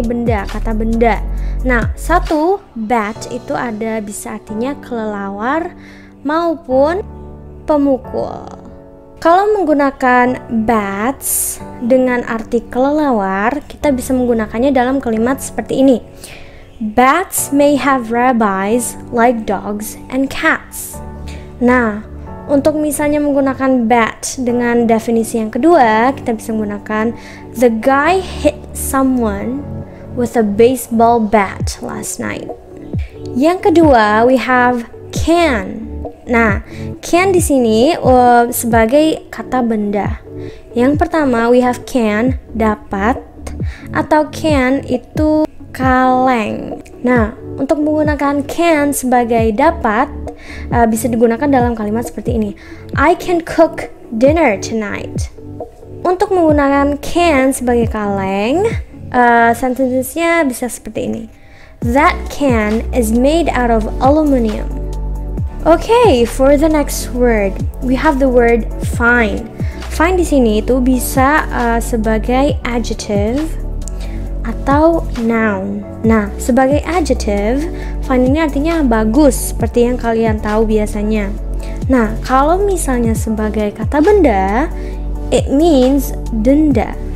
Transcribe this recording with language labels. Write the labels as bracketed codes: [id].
[id] Benda, kata benda. Nah, satu, bat itu ada bisa artinya kelelawar maupun pemukul. Kalau menggunakan bats dengan arti kelelawar, kita bisa menggunakannya dalam kalimat seperti ini. [en] Bats may have rabies like dogs and cats. [id] Nah, untuk misalnya menggunakan bat dengan definisi yang kedua, kita bisa menggunakan [en] the guy hit someone with a baseball bat last night. [id] Yang kedua, [en] we have can. [id] Nah, can di sini sebagai kata benda. Yang pertama, [en] we have can, [id] dapat, atau can itu kaleng. Nah, untuk menggunakan can sebagai dapat, bisa digunakan dalam kalimat seperti ini. [en] I can cook dinner tonight. [id] Untuk menggunakan can sebagai kaleng, sentence-nya bisa seperti ini. [en] That can is made out of aluminium. Okay, for the next word, we have the word fine. [id] Fine di sini itu bisa sebagai adjective atau noun. Nah, sebagai adjective, fine ini artinya bagus, seperti yang kalian tahu biasanya. Nah, kalau misalnya sebagai kata benda, [en] it means [id] denda.